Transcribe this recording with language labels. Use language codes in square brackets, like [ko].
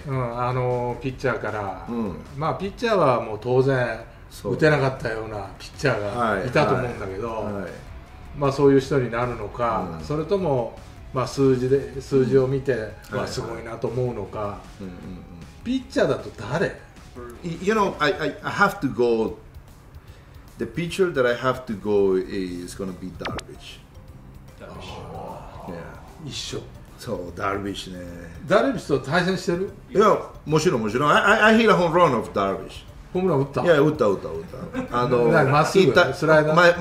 [ja] うん、あのピッチャーから、うん、まあ、ピッチャーはもう当然打てなかったようなピッチャーがいたと思うんだけど、はいはい、まあ、そういう人になるのか、うん、それとも、まあ、数字を見て、うん、まあ、すごいなと思うのか、はいはい、ピッチャーだと誰？ [en] You know, I have to go. The pitcher that I have to go is going to be Darvish. Darvish. Yeah. [ja] 一緒。そう、ダルビッシュね。ダルビッシュと対戦してる？いや、もちろんもちろん。 [en] I hit a home run of Darvish。 [ja] ホームラン打った？いや、打った。あの、まっすぐ、スライダー。